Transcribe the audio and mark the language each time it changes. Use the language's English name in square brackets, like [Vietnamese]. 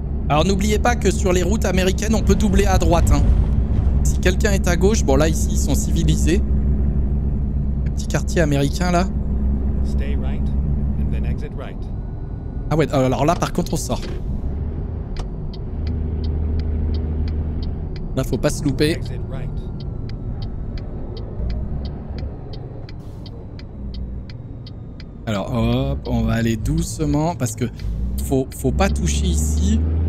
[French] Alors n'oubliez pas que sur les routes américaines, on peut doubler à droite, hein. Si quelqu'un est à gauche, bon là ici ils sont civilisés. Le petit quartier américain là. [English] Stay right, and then exit right. [French] Ah ouais, alors là par contre on sort. Là faut pas se louper. [English] Exit right. [French] Alors hop, on va aller doucement parce que faut pas toucher ici.